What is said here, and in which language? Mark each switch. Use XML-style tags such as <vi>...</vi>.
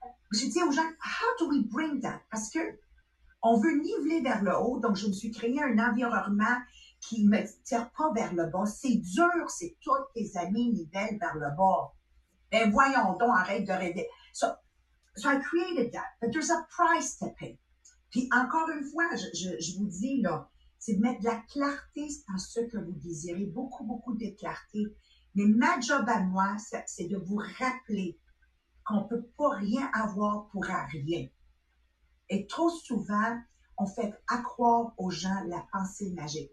<fr>Je dis aux gens,</fr> <en>how do we bring that?</en> <fr>Parce que on veut niveler vers le haut, donc je me suis créé un environnement qui ne me tire pas vers le bas. C'est dur, c'est tous tes amis nivellent vers le bas. Ben voyons donc, arrête de rêver.</fr> <en>So I created that, but there's a price to pay.</en> <fr>Puis encore une fois, je vous dis là, c'est de mettre de la clarté dans ce que vous désirez, beaucoup, beaucoup de clarté. Mais ma job à moi, c'est de vous rappeler qu'on ne peut pas rien avoir pour rien. Et trop souvent, on fait accroire aux gens la pensée magique.</fr>